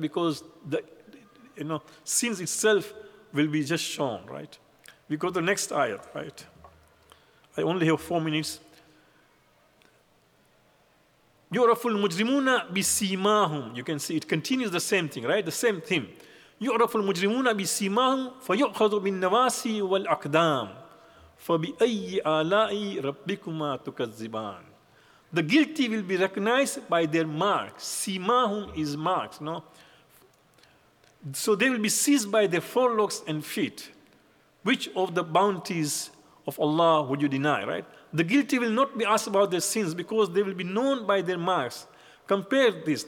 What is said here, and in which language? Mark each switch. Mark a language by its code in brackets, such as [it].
[en] Because the sins itself will be just shown, right? We go to the next ayat, right? I only have 4 minutes. [ar] يُعْرَفُ الْمُجْرِمُونَ بِسِيمَاهُمْ [en] You can see it continues the same thing, right? The same theme. [ar] يُعْرَفُ الْمُجْرِمُونَ بِسِيمَاهُمْ فَيُؤْخَذُ بِالنَّوَاسِي وَالْأَقْدَامِ فَبِأَيِّ آلَاءِ رَبِّكُمَا تُكَذِّبَانِ [en] The guilty will be recognized by their marks. سِيمَاهُمْ is marks, no? So they will be seized by their forelocks and feet. Which of the bounties of Allah would you deny, right? The guilty will not be asked about their sins because they will be known by their marks. Compare this.